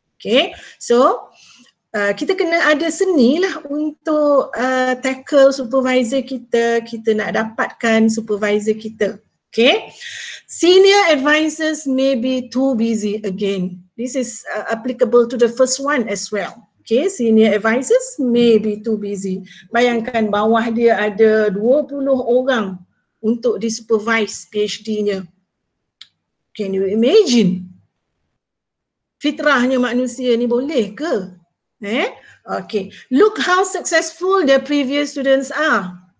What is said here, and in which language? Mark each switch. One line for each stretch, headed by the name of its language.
Malay: Okay, so kita kena ada seni lah untuk tackle supervisor kita. Kita nak dapatkan supervisor kita.
English: Okay, senior advisors may be too busy again. This is applicable to the first one as well. Okay, senior advisors may be too busy.
Malay: Bayangkan bawah dia ada 20 orang untuk di-supervise PhD-nya.
English: Can you imagine?
Malay: Fitrahnya manusia ni boleh ke? Eh?
English: Okay, look how successful their previous students are.